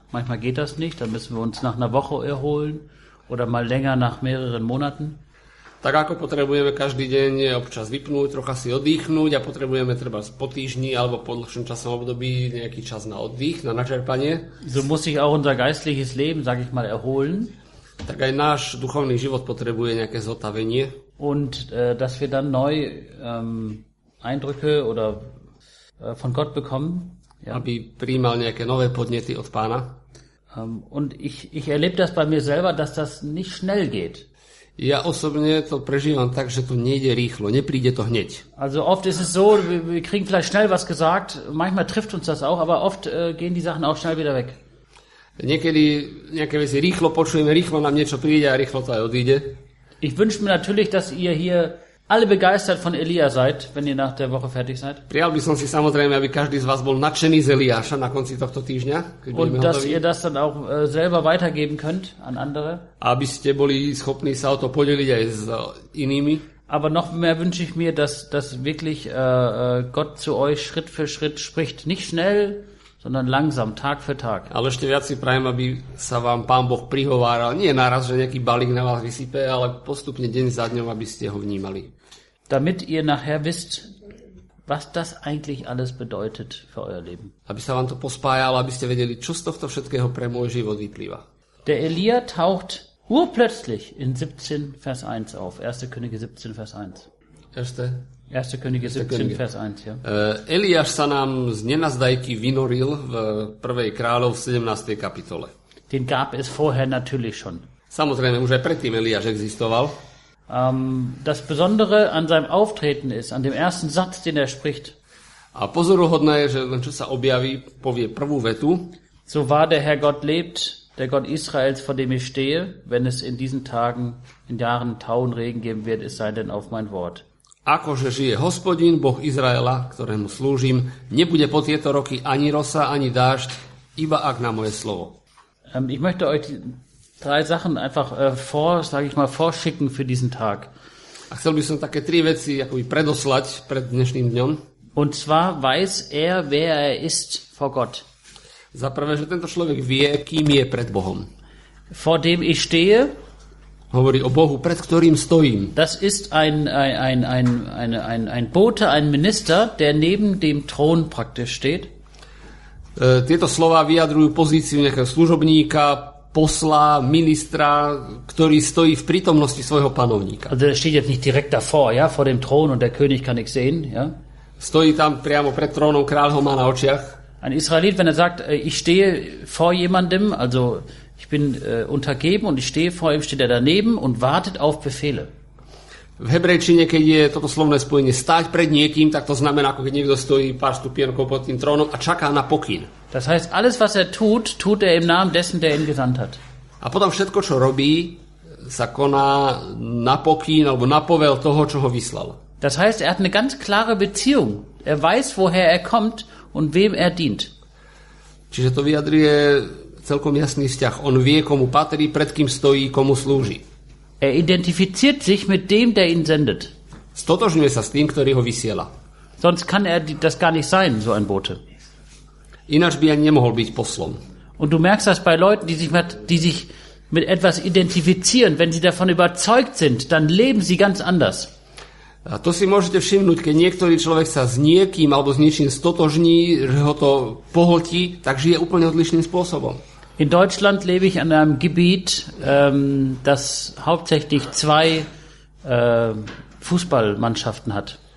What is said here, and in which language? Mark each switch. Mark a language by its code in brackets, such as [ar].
[de] Manchmal geht das nicht, dann müssen wir uns nach einer Woche erholen oder mal länger nach mehreren Monaten. [sk] Tak ako potrebujeme každý deň občas vypnúť, trocha si oddychnúť a potrebujeme treba po týždni alebo po dlhšom časovom období nejaký čas na oddych, na načerpanie. [de] So muss sich auch unser geistliches Leben, sag ich mal, erholen. [sk] Tak aj náš duchovný život potrebuje nejaké zotavenie. [de] Und dass wir dann neu Eindrücke oder von Gott bekommen. [sk] Ja. Aby prijímal nejaké nové podnety od Pána. [de] Und ich erlebe das bei mir selber, dass das nicht schnell geht. [sk] Ja osobne to prežívam tak, že to nejde rýchlo, nepríde to hneď. [de] Also oft ist es so, wir kriegen vielleicht schnell was gesagt, manchmal trifft uns das auch, aber oft gehen die Sachen auch schnell wieder weg. [sk] Niekedy nejaké veci rýchlo počujeme, rýchlo nám niečo príde a rýchlo to aj odíde. [de] Ich wünsche mir natürlich, dass ihr hier alle begeistert von Elia seid, wenn ihr nach der Woche fertig seid. [sk] Prial by som si samozrejme, aby každý z vás bol nadšený z Eliáša na konci tohto týždňa. [de] Und dass ihr das dann auch selber weitergeben könnt an andere. [sk] Aby ste boli schopní sa o to podeliť aj s inými. [de] Aber noch mehr wünsche ich mir, dass wirklich Gott zu euch Schritt für Schritt spricht. Nicht schnell, sondern langsam, Tag für Tag. [sk] Ale ešte viac si prajem, aby sa vám Pán Boh prihováral. Nie naraz, že nejaký balík na vás vysype, ale postupne deň za dňom, aby ste ho vnímali. [de] Damit ihr nachher wisst, was das eigentlich alles bedeutet für euer Leben. [sk] Aby sa vám to pospájalo, aby ste vedeli, čo z tohto všetkého pre môj život vyplýva. [de] Der Elia taucht urplötzlich in 17 Vers 1 auf. 1. Könige 17 Vers 1. Erste. 1. Könige 17, Vers 1, ja. [sk] Eliáš sa nám z nenazdajky vynoril v 1. kráľov 17. kapitole. [de] Den gab es vorher natürlich schon. [sk] Samozrejme, už aj predtým Eliáš existoval. [de] Das Besondere an seinem Auftreten ist, an dem ersten Satz, den er spricht. [sk] A pozoruhodné je, že len čo sa objaví, povie prvú vetu. [de] So war der Herr Gott lebt, der Gott Israels, vor dem ich stehe, wenn es in diesen Tagen, in Jahren Tau und Regen geben wird, es sei denn auf mein Wort. [sk] Akože žije Hospodin, Boh Izraela, ktorému slúžim, nebude po tieto roky ani rosa, ani dážď, iba ak na moje slovo. [de] Ich möchte euch drei Sachen einfach vorschicken für diesen Tag. [sk] A chcel by som také tri veci akoby predoslať pred dnešným dňom. [de] Und zwar weiß er, wer er ist vor Gott. [sk] Za prvé, že tento človek vie, kým je pred Bohom. [de] Vor dem ich stehe. [sk] Hovorí o Bohu, pred ktorým stojím. [de] Das ist ein Bote, ein Minister, der neben dem Thron praktisch steht. [sk] Tieto slová vyjadrujú pozíciu nejakého služobníka, posla, ministra, ktorý stojí v prítomnosti svojho panovníka. [de] Also, der steht jetzt nicht direkt davor, ja, vor dem Thron und der König kann nichts sehen, ja. [sk] Stojí tam priamo pred trónom, kráľ ho má na očiach. [de] Ein Israelit, wenn er sagt, ich stehe vor jemandem, also ich bin untergeben und ich stehe vor ihm, steht er daneben und wartet auf Befehle. [sk] V hebrejčine, keď je toto slovné spojenie stať pred niekým, tak to znamená, ako keď niekto stojí pár stupienkov pod tým trónom a čaká na pokyn. [de] Das heißt, alles, was er tut, tut er im Namen dessen, der ihn gesandt hat. [sk] A potom všetko, čo robí, sa koná na pokyn alebo na povel toho, čo ho vyslal. [de] Das heißt, er hat eine ganz klare Beziehung. Er weiß, woher er kommt und wem er dient. [sk] Čiže to vyjadruje celkom jasný vzťah. On vie, komu patrí, pred kým stojí, komu slúži. [de] Er identifiziert sich mit dem, der ihn sendet. [sk] Stotožňuje sa s tým, ktorý ho vysiela. [de] Sonst kann er das gar nicht sein, so ein Bote. [sk] Ináč by ani nemohol byť poslom. [de] Und du merkst das bei Leuten, die sich mit etwas identifizieren, wenn sie davon überzeugt sind, dann leben sie ganz anders. [sk] A to si môžete všimnúť, keď niektorý človek sa s niekým alebo s niečím stotožní, že ho to pohltí, tak žije úplne odlišným spôsobom. [de] In Deutschland lebe ich in einem Gebiet, das hauptsächlich zwei Fußballmannschaften hat.